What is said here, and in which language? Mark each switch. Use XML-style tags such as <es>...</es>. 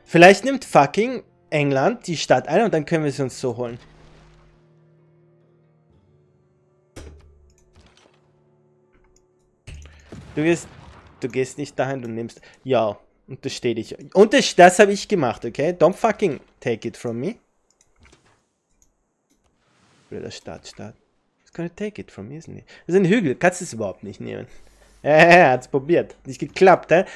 <de>Vielleicht nimmt fucking England die Stadt ein und dann können wir sie uns so holen. Du gehst nicht dahin, du nimmst... Ja. Untersteh dich. Und das habe ich gemacht, okay?</de> <en>Don't fucking take it from me.</en> <de>Blöder Stadt.</de> <en>It's gonna take it from me, isn't it?</en> <de>Das ist ein Hügel. Kannst du es überhaupt nicht nehmen? Er hat es probiert. Nicht geklappt, hä?</de>